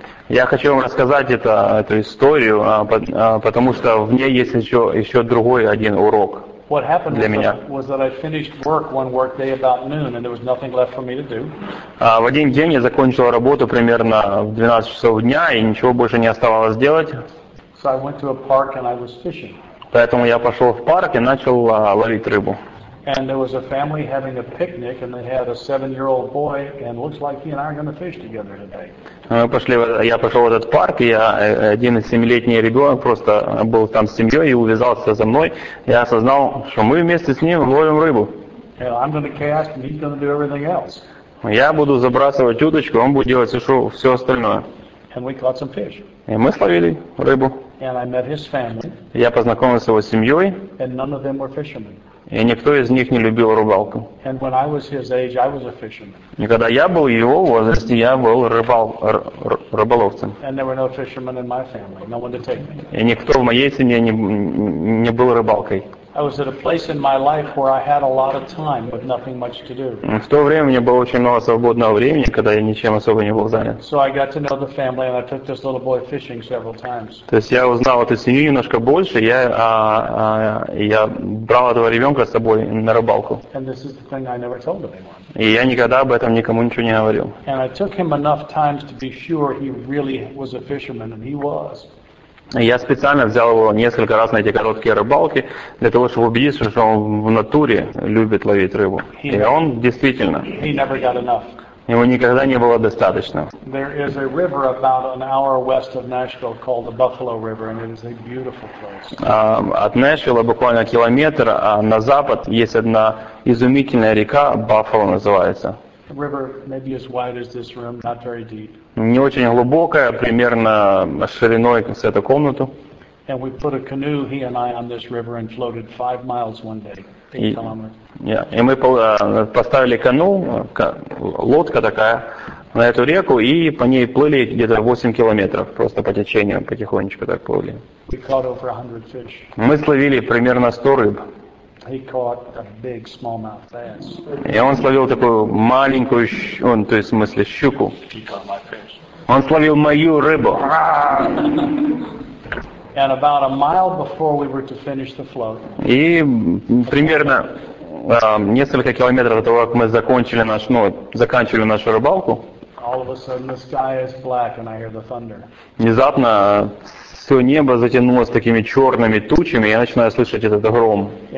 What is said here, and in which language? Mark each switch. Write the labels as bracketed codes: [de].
[ru] Я хочу вам рассказать эту историю, потому что в ней есть еще другой один урок. [en] What happened [ru] для меня. [en] Was that I finished work one work day about noon and there was nothing left for me to do. [ru] В один день я закончил работу примерно в 12 часов дня и ничего больше не оставалось делать. [en] So I went to a park and I was fishing. [ru] Поэтому я пошел в парк и начал ловить рыбу. [en] And there was a family having a picnic and they had a 7-year-old boy and looks like he and I are going to fish together today. [ru] Я пошел в этот парк, и один 7-летний ребенок просто был там с семьей и увязался за мной. Я осознал, что мы вместе с ним ловим рыбу. [en] I'm going to cast and he's going to do everything else. [ru] Я буду забрасывать удочку, он будет делать все остальное. [en] And we caught some fish. [ru] И мы словили рыбу. [en] And I met his family. [ru] Я познакомился с его семьей. [en] And none of them were fishermen. [ru] И никто из них не любил рыбалку. [en] And when I was his age, I was a fisherman. [ru] И когда я был его возрасте, я был рыболовцем. [en] And there were no fishermen in my family, no one to take me. [ru] И никто в моей семье не был рыбалкой. [en] I was at a place in my life where I had a lot of time, but nothing much to do. [ru] В то время у меня было очень много свободного времени, когда я ничем особо не был занят. [en] So I got to know the family, and I took this little boy fishing several times. [ru] То есть я узнал эту семью немножко больше, я брал этого ребенка с собой на рыбалку. [en] And this is the thing I never told anyone. [ru] И я никогда об этом никому ничего не говорил. [en] And I took him enough times to be sure he really was a fisherman, and he was. [ru] Я специально взял его несколько раз на эти короткие рыбалки, для того, чтобы убедиться, что он в натуре любит ловить рыбу. И он действительно. [en] He never got enough. [ru] Его никогда не было достаточно. [en] There is a river about an hour west of Nashville called the Buffalo River, and it is a beautiful place. [ru] От Нэшвилла буквально километр на запад есть одна изумительная река, Баффало называется. [en] The river maybe as wide as this room, not very deep. [ru] Не очень глубокая, примерно шириной с эту комнату. [en] And we put a canoe, he and I, on this river and floated 5 miles one day, 8 kilometers. [ru] И мы поставили canoe, лодка такая, на эту реку и по ней плыли где-то 8 километров, просто по течению потихонечку так плыли. [en] We caught over 100 fish. [ru] Мы словили примерно 100 рыб. [en] He caught a big smallmouth bass. [ru] И он словил такую маленькую, то есть в смысле щуку. Он словил мою рыбу. [en] And about a mile before we were to finish the float. [ru] И примерно несколько километров до того, как мы заканчивали нашу рыбалку. [en] All of a sudden, the sky is black, and I hear the thunder. [ru] Внезапно все небо затянулось такими черными тучами, и я начинаю слышать этот гром.